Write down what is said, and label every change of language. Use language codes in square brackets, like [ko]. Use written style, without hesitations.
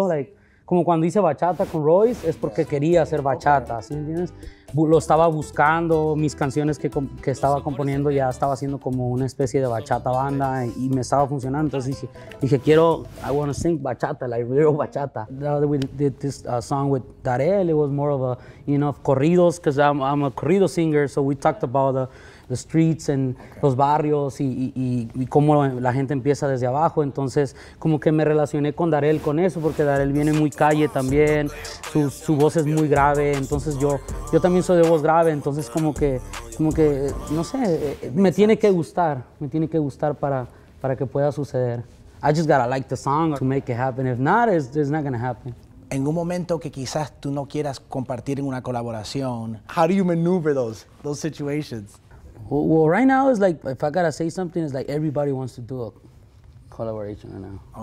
[es] Like, como cuando hice bachata con Royce, es porque quería hacer bachata, ¿sí entiendes? Lo estaba buscando, mis canciones que estaba componiendo ya estaba haciendo como una especie de bachata banda y me estaba funcionando. Entonces dije quiero, [en] I want to sing bachata, like real bachata. That we did this song with Darel, it was more of a, you know, corridos, because I'm a corrido singer, so we talked about the streets and okay. [es] Los barrios y cómo la gente empieza desde abajo. Entonces, como que me relacioné con Darel con eso, porque Darel viene muy calle también, su voz es muy grave. Entonces, yo también soy de voz grave. Entonces, como que, no sé, me tiene que gustar para que pueda suceder. [en] I just gotta like the song to make it happen. If not, it's not gonna happen. [es] En un momento que quizás tú no quieras compartir en una colaboración, [en] how do you maneuver those situations? Well, right now, it's like, if I gotta say something, it's like everybody wants to do a collaboration right now.